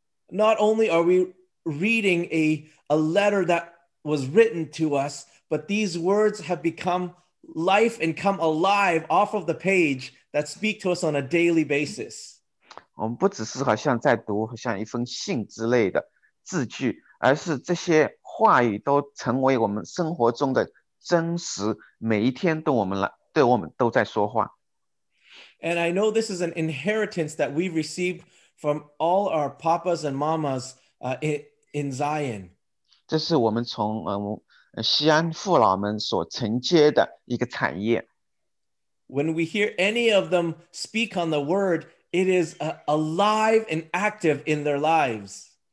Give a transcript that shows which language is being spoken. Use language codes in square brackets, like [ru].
[en] Not only are we reading a letter that was written to us, but these words have become life and come alive off of the page that speak to us on a daily basis. [zh] 我们不只是好像在读，像一封信之类的字句，而是这些话语都成为我们生活中的真实，每一天对我们都在说话。And [en] I know this is an inheritance that we've received from all our papas and mamas in Zion. [zh] 这是我们从西安父老们所承接的一个产业。 [en] When we hear any of them speak on the word, it is alive and active in their lives.